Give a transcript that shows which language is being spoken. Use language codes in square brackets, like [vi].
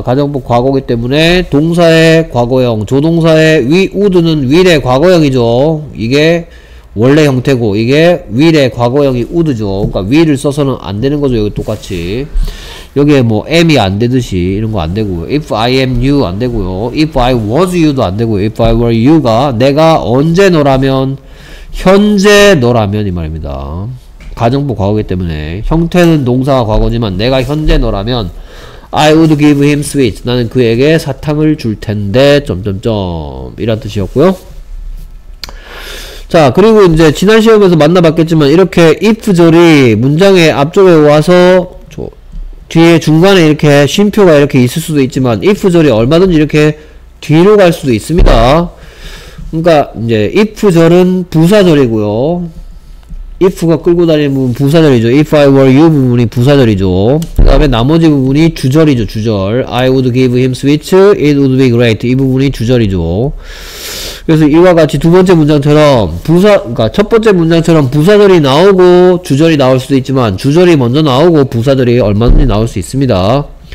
[ko] 가정법 과거이기 때문에 동사의 과거형, 조동사의 would는 will의 과거형이죠. 이게 원래 형태고 이게 will의 과거형이 would죠. 그러니까 will을 써서는 안 되는 거죠. 여기 똑같이 여기에 뭐 am이 안 되듯이 이런 거 안 되고요. [en] if I am you [ko] 안 되고요. [en] if I was you도 [ko] 안 되고요. [en] if I were you [ko] 가 내가 언제 너라면 현재 너라면 이 말입니다. 가정법 과거이기 때문에 형태는 동사와 과거지만 내가 현재 너라면 [en] I would give him sweets. [ko] 나는 그에게 사탕을 줄 텐데 점점점 이런 뜻이었고요. 자, 그리고 이제 지난 시험에서 만나봤겠지만 이렇게 if절이 문장의 앞쪽에 와서 뒤에 중간에 이렇게 쉼표가 이렇게 있을 수도 있지만 if절이 얼마든지 이렇게 뒤로 갈 수도 있습니다. 그러니까 이제 if절은 부사절이고요. if가 끌고 다니는 부분 부사절이죠. [en] if I were you [ko] 부분이 부사절이죠. 그 다음에 나머지 부분이 주절이죠. [en] 주절. I would give him sweets. It would be great. [ko] 이 부분이 주절이죠. 그래서 이와 같이 두 번째 문장처럼 그러니까 첫 번째 문장처럼 부사절이 나오고 주절이 나올 수도 있지만 주절이 먼저 나오고 부사절이 얼마든지 나올 수 있습니다.